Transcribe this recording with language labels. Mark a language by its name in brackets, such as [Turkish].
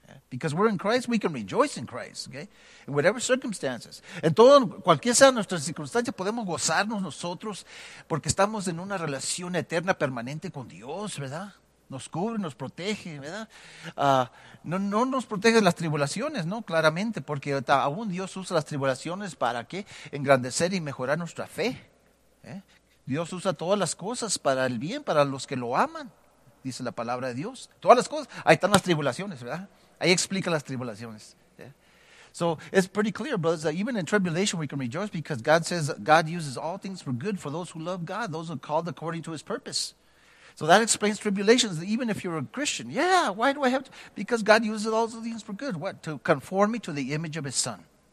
[English] Because we're in Christ, we can rejoice in Christ, okay? In whatever circumstances. [Spanish] En todo, cualquier sea nuestra circunstancia, podemos gozarnos nosotros porque estamos en una relación eterna, permanente con Dios, ¿verdad? Nos cubre, nos protege, ¿verdad? No nos protege las tribulaciones, ¿no? Claramente, porque aún Dios usa las tribulaciones para qué? Engrandecer y mejorar nuestra fe. Dios usa todas las cosas para el bien, para los que lo aman, dice la palabra de Dios. Todas las cosas, ahí están las tribulaciones, ¿verdad? Ahí explica las tribulaciones. [English] So it's pretty clear, brothers, that even in tribulation we can rejoice because God says God uses all things for good for those who love God, those who are called according to his purpose. So that explains tribulations, even if you're a Christian. Yeah, why do I have to? Because God uses all those things for good. What? To conform me to the image of his son.